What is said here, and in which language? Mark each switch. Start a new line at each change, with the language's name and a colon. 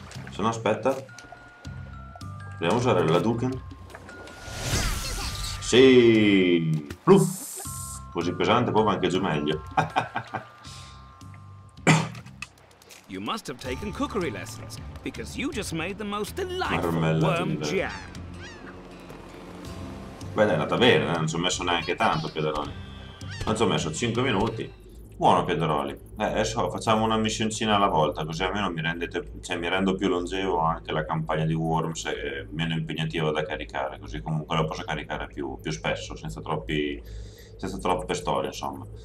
Italian: Se no aspetta. Dobbiamo usare la Duken. Sì! Pluff! così pesante, poi va anche giù meglio.
English: You must have taken cookery lessons because you just made the most delightful worm jam.
Italian: Beh, è andata bene, non ci ho messo neanche tanto, Piedaroli. Non ci ho messo 5 minuti. Buono, Piedaroli. Adesso facciamo una missioncina alla volta, così almeno mi rendete, cioè, mi rendo più longevo anche la campagna di Worms, è meno impegnativa da caricare, così comunque la posso caricare più spesso, senza troppe storie, insomma.